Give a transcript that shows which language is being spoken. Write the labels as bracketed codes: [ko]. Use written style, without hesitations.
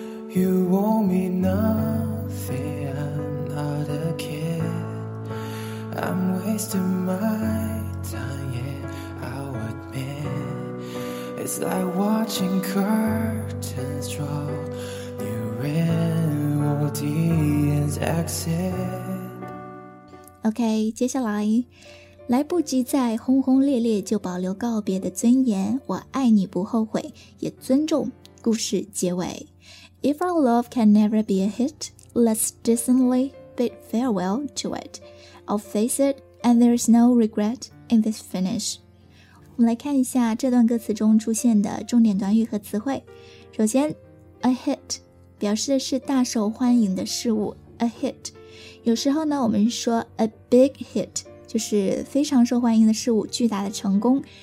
[en] You owe me nothing, I'm not a kid. I'm wasting my time, yeah, I'll admit. It's like watching curtains draw near an audience exit. [zh] OK, 接下来来不及在轰轰烈烈就保留告别的尊严，我爱你不后悔，也尊重故事结尾。 [en] If our love can never be a hit, let's decently bid farewell to it. I'll face it, and there's no regret in this finish. [zh] 我们来看一下这段歌词中出现的重点短语和词汇。首先 ，a hit 表示的是大受欢迎的事物 ，a hit。有时候呢，我们说 a big hit。就是非常受欢迎的事物，巨大的成功。